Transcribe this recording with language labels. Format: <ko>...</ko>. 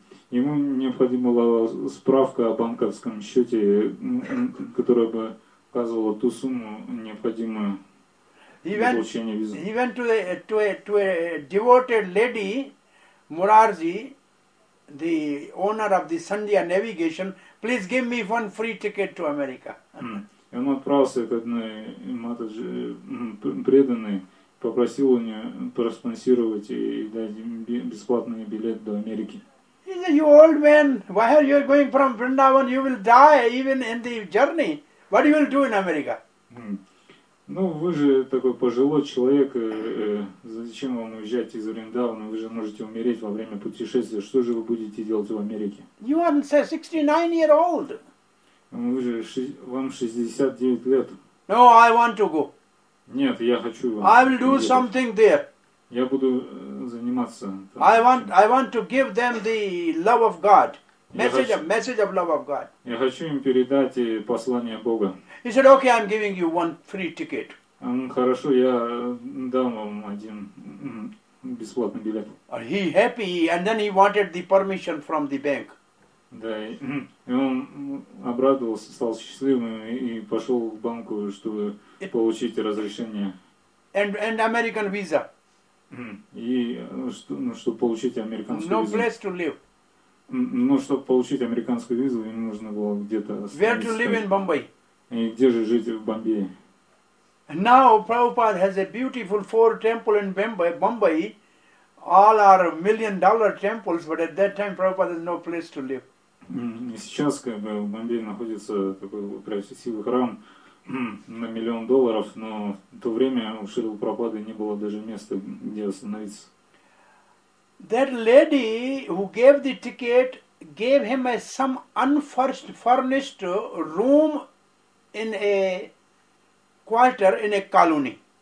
<ru>Ему необходима была справка о банковском счете, которая бы указывала ту сумму необходимую для получения визы.</ru> <en>He went to a devoted lady, Murarji, the owner of the Sandhya Navigation. Please give me one free ticket to America.</en> <ru>И он отправился к одной матаджи, преданной, попросил у нее проспонсировать и дать бесплатный билет до Америки.</ru> <en>He said, you old man, why are you going from Vrindavan? You will die even in the journey. What you will do in America?</en> <ru>Ну, вы же такой пожилой человек, зачем вам уезжать из Вриндавана? Вы же можете умереть во время путешествия. Что же вы будете делать в Америке?</ru> <en>You are 69 years old.</en> <ru>Вы же, вам 69 лет.</ru> <en>No, I want to go.</en> <ru>Нет, я хочу.</ru> <en>I will do</en> <ru>уехать.</ru> <en>Something there.</en> <ru>Я буду заниматься.</ru> <en>I want to give them the love of God. Message of love of God.</en> <ru>Я хочу им передать послание Бога.</ru> <en>He said, okay, I'm giving you one free ticket.</en> <ru>Хорошо, я дам вам один бесплатный билет.</ru> <en>Are he happy? And then he wanted the permission from the bank.</en> <ru>Да, и он обрадовался, стал счастливым и пошел к банку, чтобы получить разрешение.</ru> <en>And American visa.</en> <ru>И чтобы получить американскую визу.</ru> <en>No place to live.</en> <ru>Ну, чтобы получить американскую визу, ему нужно было где-то остановить.</ru> <en>Where to live in Bombay?</en> <ru>И где же жить в Бомбее?</ru> <en>Now Prabhupada has a beautiful four temple in Bombay. All are million-dollar temples, but at that time Prabhupada has no place to live.</en> <ru>И сейчас как бы в Бомбее находится такой красивый храм на миллион долларов, но в то время у Шрилы Прабхупады не было даже места, где остановиться.</ru> <en>That lady who gave the ticket gave him a some unfurnished room in a quarter in a colony.</en>